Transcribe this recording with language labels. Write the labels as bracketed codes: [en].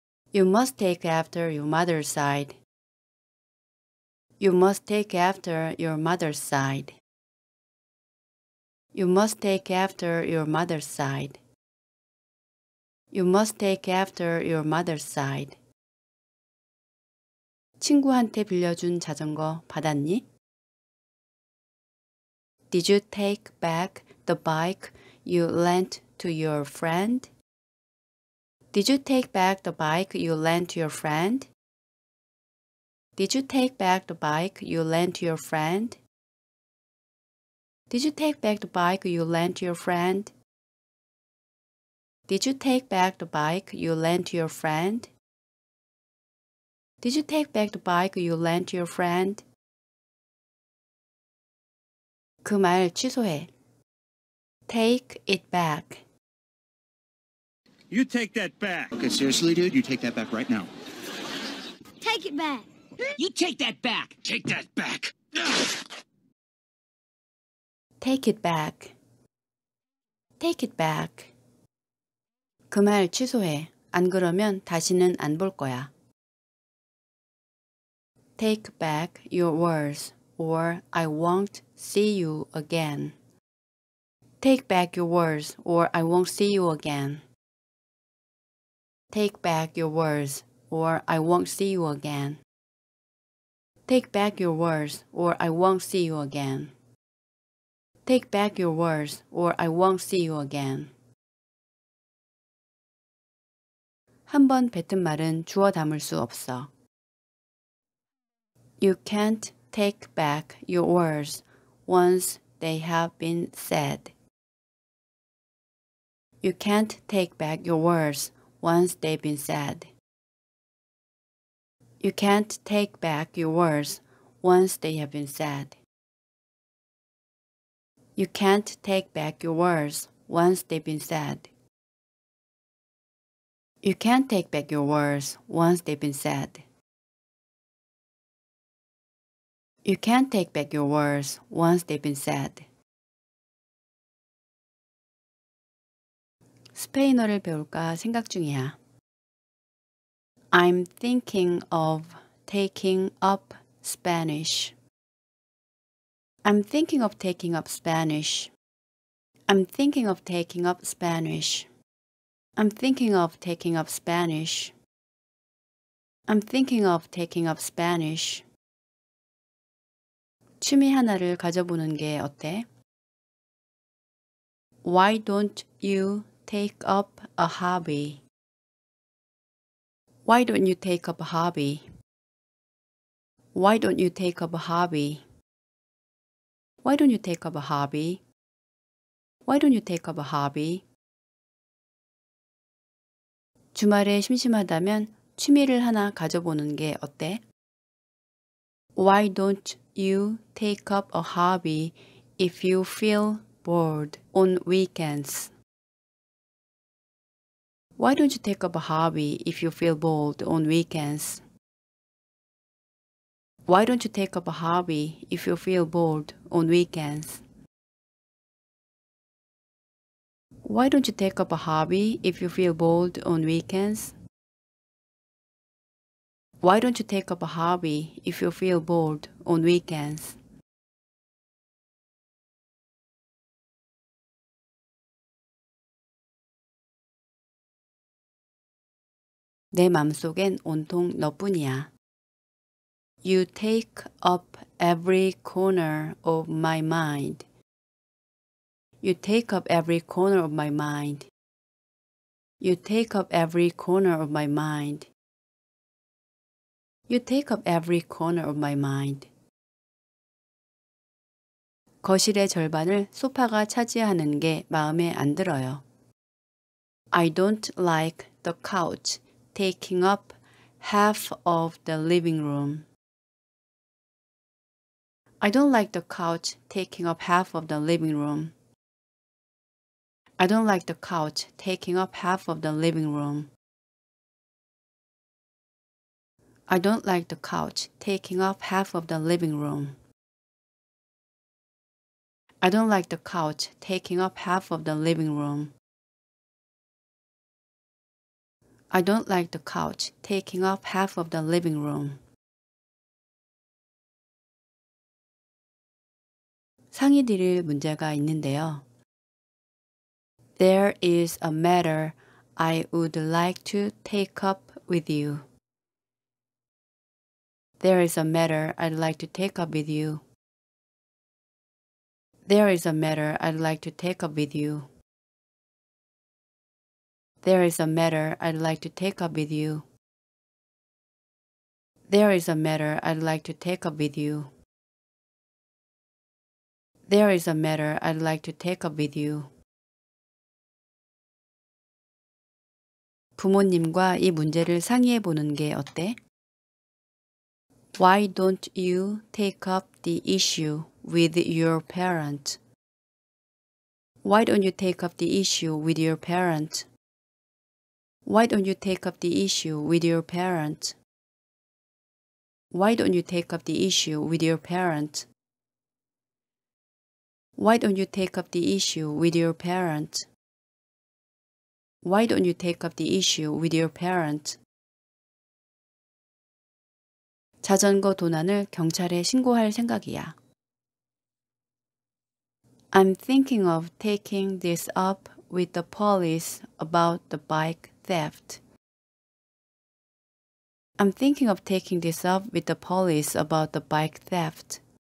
[en] You must take after your mother's side. You must take after your mother's side. You must take after your mother's side. You must take after your mother's side. [ko] 친구한테 빌려준 자전거 받았니? [en] Did you take back the bike you lent to your friend? Did you take back the bike you lent to your friend? Did you take back the bike you lent to your friend? Did you take back the bike you lent to your friend? Did you take back the bike you lent to your friend? Did you take back the bike you lent your friend? [ko] 그 말 취소해. [en] Take it back. You take that back. Okay, seriously, dude, you take that back right now. Take it back. You take that back. Take that back. Take it back. Take it back. [ko] 그 말 취소해. 안 그러면 다시는 안 볼 거야. [en] Take back your words, or I won't see you again. Take back your words, or I won't see you again. Take back your words, or I won't see you again. Take back your words, or I won't see you again. Take back your words, or I won't see you again. [ko] 한 번 뱉은 말은 주워 담을 수 없어. [en] You can't take back your words once they have been said. You can't take back your words once they've been said. You can't take back your words once they have been said. You can't take back your words once they've been said. You can't take back your words once they've been said. You can't take back your words once they've been said. [ko] 스페인어를 배울까 생각 중이야. [en] I'm thinking of taking up Spanish. I'm thinking of taking up Spanish. I'm thinking of taking up Spanish. I'm thinking of taking up Spanish. I'm thinking of taking up Spanish. [ko] 취미 하나를 가져보는 게 어때? [en] Why don't you take up a hobby? Why don't you take up a hobby? Why don't you take up a hobby? Why don't you take up a hobby? Why don't you take up a hobby? [ko] 주말에 심심하다면 취미를 하나 가져보는 게 어때? [en] Why don't you take up a hobby if you feel bored on weekends? Why don't you take up a hobby if you feel bored on weekends? Why don't you take up a hobby if you feel bored on weekends? Why don't you take up a hobby if you feel bored on weekends? Why don't you take up a hobby if you feel bored on weekends? [ko] 내 마음속엔 온통 너뿐이야. [en] You take up every corner of my mind. You take up every corner of my mind. You take up every corner of my mind. You take up every corner of my mind. [ko] 거실의 절반을 소파가 차지하는 게 마음에 안 들어요. [en] I don't like the couch taking up half of the living room. I don't like the couch taking up half of the living room. I don't like the couch taking up half of the living room. I don't like the couch taking up half of the living room. I don't like the couch taking up half of the living room. I don't like the couch taking up half of the living room. [ko] 상의 드릴 문제가 있는데요. [en] There is a matter I would like to take up with you. There is a matter I'd like to take up with you. There is a matter I'd like to take up with you. There is a matter I'd like to take up with you. There is a matter I'd like to take up with you. There is a matter I'd like to take up with you. [ko] 부모님과 이 문제를 상의해 보는 게 어때? [en] Why don't you take up the issue with your parent? Why don't you take up the issue with your parent? Why don't you take up the issue with your parent? Why don't you take up the issue with your parent? Why don't you take up the issue with your parent? Why don't you take up the issue with your parent? [ko] 자전거 도난을 경찰에 신고할 생각이야. [en] I'm thinking of taking this up with the police about the bike theft. I'm thinking of taking this up with the police about the bike theft.